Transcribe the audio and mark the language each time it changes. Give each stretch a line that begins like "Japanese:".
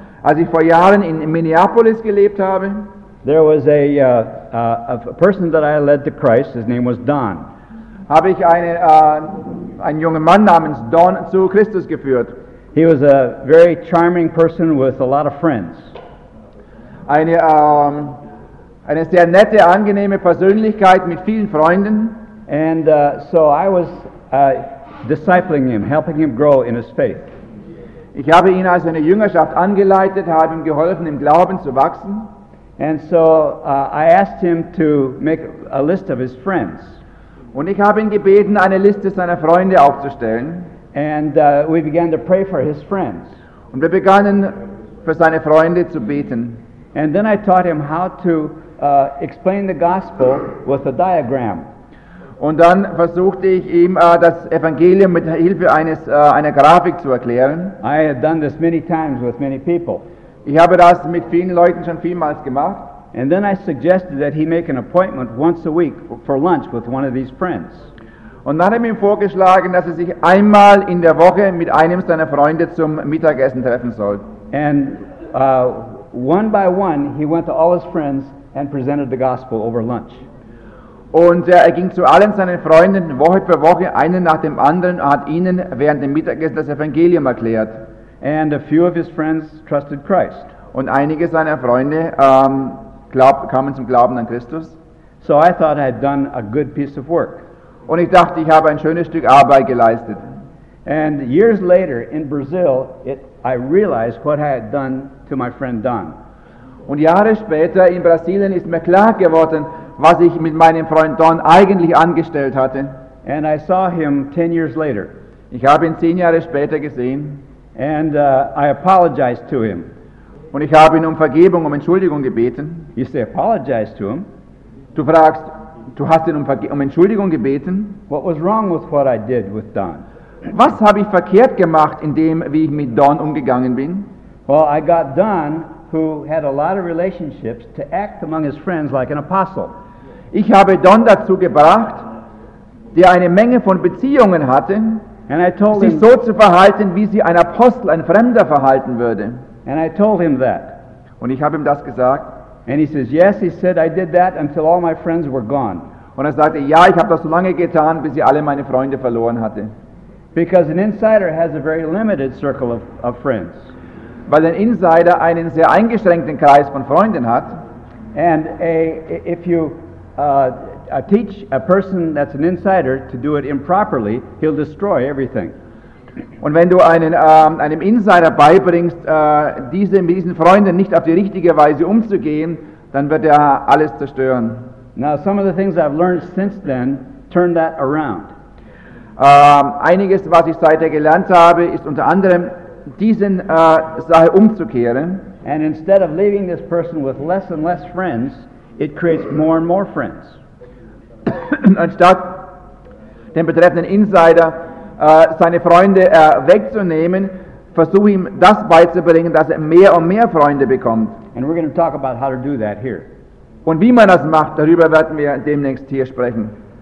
German: als ich vor Jahren in Minneapolis gelebt habe,
English: there was a person that I led to Christ. His name was Don.
German: Habe ich einen jungen Mann namens Don zu Christus geführt.
English: He was a very charming person with a lot of friends.
German: Eine sehr nette, angenehme Persönlichkeit mit vielen Freunden.
English: And so I was discipling him, helping him grow in his faith.
German: Ich habe ihn als eine Jüngerschaft angeleitet, habe ihm geholfen, im Glauben zu wachsen.
English: And so I asked him to make a list of his friends.
German: Und ich habe ihn gebeten, eine Liste seiner Freunde aufzustellen.
English: And we began to pray for his friends.
German: Und wir begannen, für seine Freunde zu beten.
English: And then I taught him how to explain the gospel with a diagram.
German: Und dann versuchte ich ihm das Evangelium mit Hilfe eines einer Grafik zu erklären.
English: I had done this many times with many people.
German: Ich habe das mit vielen Leuten schon vielmals gemacht.
English: And then I suggested that he make an appointment once a week for lunch with one of these friends.
German: Und dann habe ich ihm vorgeschlagen, dass er sich einmal in der Woche mit einem seiner Freunde zum Mittagessen treffen soll.
English: And one by one he went to all his friends and presented the gospel over lunch.
German: Und er ging zu allen seinen Freunden Woche für Woche, einen nach dem anderen, und hat ihnen während dem Mittagessen das Evangelium erklärt.
English: And a few of his friends trusted Christ.
German: Und einige seiner Freunde kamen zum Glauben an Christus.
English: So I thought I had done a good piece of work.
German: Und ich dachte, ich habe ein schönes Stück Arbeit geleistet.
English: And years later in Brazil, I realized what I had done to my friend Don.
German: Und Jahre später in Brasilien ist mir klar geworden, was ich mit meinem Freund Don eigentlich angestellt hatte.
English: And I saw him 10 years later.
German: Ich habe ihn 10 Jahre später gesehen.
English: And I apologized to him.
German: Und ich habe ihn um Vergebung, um Entschuldigung gebeten.
English: You say apologize to him.
German: Du fragst, du hast ihn um Entschuldigung gebeten.
English: What was wrong with what I did with Don?
German: Was habe ich verkehrt gemacht in dem, wie ich mit Don umgegangen bin?
English: Well, I got Don, who had a lot of relationships, to act among his friends like an apostle.
German: Ich habe Don dazu gebracht, der eine Menge von Beziehungen hatte,
English: and I told
German: sich
English: him,
German: so zu verhalten, wie sie ein Apostel, ein Fremder verhalten würde.
English: And I told him that.
German: Und ich habe ihm das gesagt.
English: And he says, yes, he said, I did that until all my friends were gone.
German: Und er sagte, ja, ich habe das so lange getan, bis ich alle meine Freunde verloren hatte.
English: Because an insider has a very limited circle of friends.
German: Weil ein Insider einen sehr eingeschränkten Kreis von Freunden hat.
English: And if you teach a person that's an insider to do it improperly, he'll destroy everything.
German: Und wenn du einem Insider beibringst, mit diesen Freunden nicht auf die richtige Weise umzugehen, dann wird er alles zerstören.
English: Now some of the things I've learned since then turn that around.
German: Einiges, was ich seither gelernt habe, ist unter anderem diesen Sache umzukehren.
English: And instead of leaving this person with less and less friends, it creates more and more friends.
German: Anstatt den betreffenden Insider seine Freunde wegzunehmen, versuche ihm das beizubringen, dass er mehr und mehr Freunde bekommt.
English: And we're going to talk about how to do that here.
German: Und wie man das macht, darüber werden wir demnächst hier sprechen.